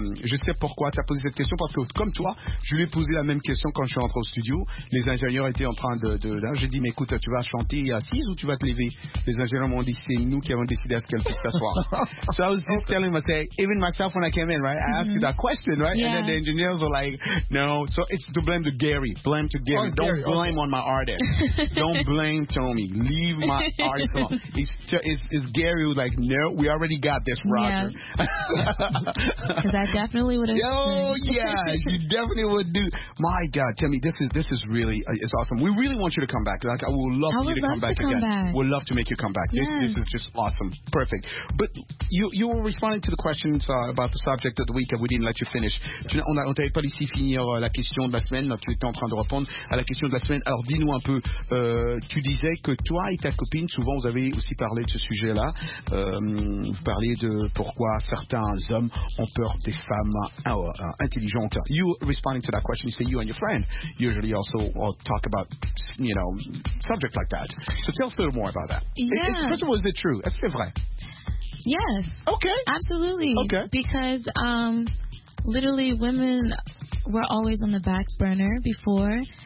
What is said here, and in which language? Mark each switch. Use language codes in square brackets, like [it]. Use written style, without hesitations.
[fr] Je sais pourquoi tu as posé cette question, parce que comme toi, je lui ai posé la même question quand je suis rentré au studio. Les ingénieurs étaient en train de. Là, j'ai dit, mais écoute, tu vas chanter assise ou tu vas te lever? Les ingénieurs m'ont dit, c'est nous qui avons décidé à ce qu'elle puisse s'asseoir. [en] So I was just telling myself, even myself when I came in, right? I asked you that question, right? Yeah. And then the engineers were like, no. So it's to blame to Gary. Blame to Gary. Don't blame on my artist. Don't blame Tommy. Leave my. It's Gary who's like, no, we already got this, Roger. Because I definitely would have. Oh, yeah, you definitely would do. My God, tell me, this is really, it's awesome. We really want you to come back. Like, I would love to come back again. We'd love to make you come back. Yes. This is just awesome. Perfect. But you were responding to the questions about the subject of the week, and we didn't let you finish. Yeah. [fr] On n'avait pas laissé finir la question de la semaine. Tu étais en train de répondre à la question de la semaine. Alors, dis-nous un peu, tu disais que toi et ta copine, souvent vous avez aussi parlé de ce sujet-là. Vous parlez de pourquoi certains hommes ont peur des femmes intelligentes. [en] You responding to that question, you say you and your friend usually also talk about, you know, subject like that. So tell us a little more about that. Yeah. First of all, is it true? [fr] Est-ce que c'est vrai? [en] Yes. Okay. Absolutely. Okay. Because literally women were always on the back burner before.